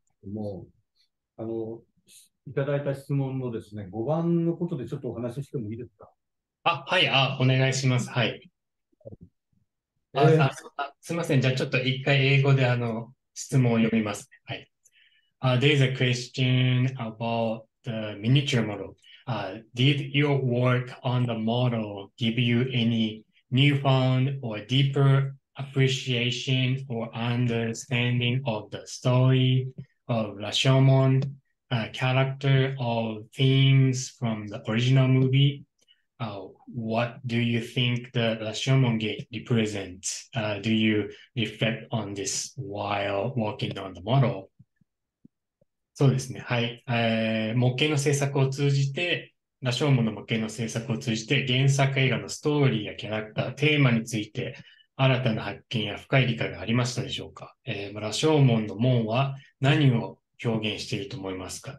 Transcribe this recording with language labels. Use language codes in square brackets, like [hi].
[ja] もう、いただいた質問のですね、5番のことでちょっとお話ししてもいいですか? あ、はい、あ、お願いします。はい。すいません。じゃあ、ちょっと一回英語で質問を読みます。はい。 [en] There's a question about the miniature model. Did your work on the model give you any newfound or deeper appreciation or understanding of the story of Rashomon, character or themes from the original movie. What do you think the Rashomon Gate represents? Do you reflect on this while working on the model? [ja] そうですね。はい。模型の制作を通じて、ラショーモンの模型の制作を通じて、原作映画のストーリーやキャラクター、テーマについて、新たな発見や深い理解がありましたでしょうか？ラショーモンの門は何を表現していると思いますか？